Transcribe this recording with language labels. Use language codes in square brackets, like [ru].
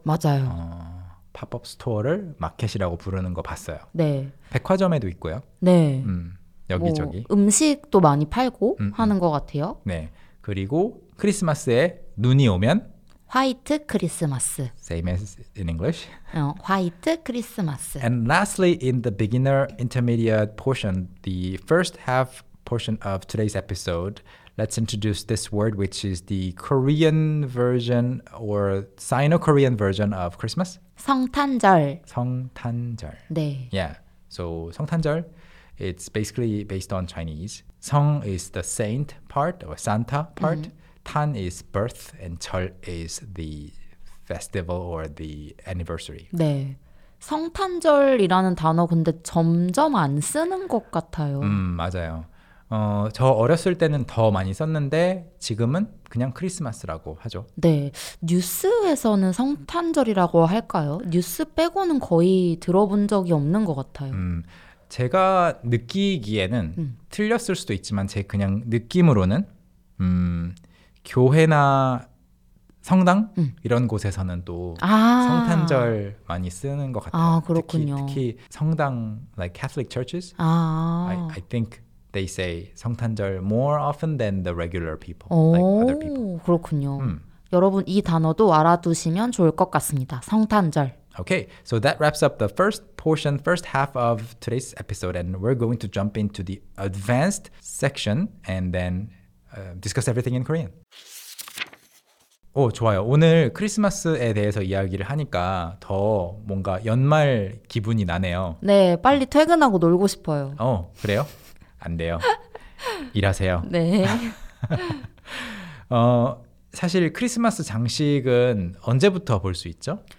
[ko] 맞아요. 팝업 스토어를 마켓이라고 부르는 거 봤어요. 네. 백화점에도 있고요. 네. 여기저기. 뭐 음식도 많이 팔고 하는 것 같아요. 네. 그리고 크리스마스에 눈이 오면? 화이트 크리스마스. [en] Same as in English. [ko] 화이트 크리스마스. [en] And lastly, in the beginner intermediate portion, the first half portion of today's episode, let's introduce this word, which is the Korean version or Sino-Korean version of Christmas. [ko] 성탄절. 성탄절. 네. [en] Yeah. So 성탄절, it's basically based on Chinese. 성 is the saint part or Santa part. 탄 is birth and 절 is the festival or the anniversary. [ko] 네. 성탄절이라는 단어 근데 점점 안 쓰는 것 같아요. 맞아요. 저 어렸을 때는 더 많이 썼는데 지금은 그냥 크리스마스라고 하죠. 네. 뉴스에서는 성탄절이라고 할까요? 뉴스 빼고는 거의 들어본 적이 없는 것 같아요. 제가 느끼기에는 틀렸을 수도 있지만 제 그냥 느낌으로는 교회나 성당 이런 곳에서는 또 성탄절 많이 쓰는 것 같아요. 아, 그렇군요. 특히 성당, [en] like Catholic churches, I think they say 성탄절 more often than the regular people, like other people. [ko] 그렇군요. 여러분 이 단어도 알아두시면 좋을 것 같습니다. 성탄절. [en] Okay, so that wraps up the first portion, first half of today's episode, and we're going to jump into the advanced section and then discuss everything in Korean. [ko] 오, 좋아요. 오늘 크리스마스에 대해서 이야기를 하니까 더 뭔가 연말 기분이 나네요. 네, 빨리 퇴근하고 놀고 싶어요. 어, 그래요? 안 돼요. 일하세요. 네. 사실 크리스마스 장식은 언제부터 볼 수 있죠?